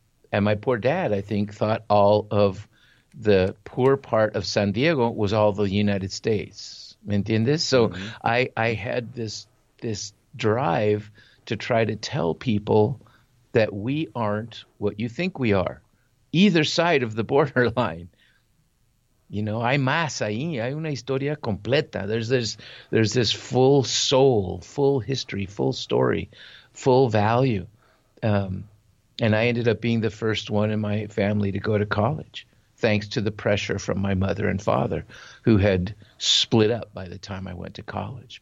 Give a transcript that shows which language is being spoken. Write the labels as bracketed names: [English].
[English] And my poor dad, I think, thought all of the poor part of San Diego was all the United States. [Spanish] ¿Me entiendes? [English] So mm-hmm. I had this drive to try to tell people that we aren't what you think we are, either side of the borderline. You know, [Spanish] hay más ahí, hay una historia completa. [English] There's this full soul, full history, full story, full value. And I ended up being the first one in my family to go to college, thanks to the pressure from my mother and father, who had split up by the time I went to college.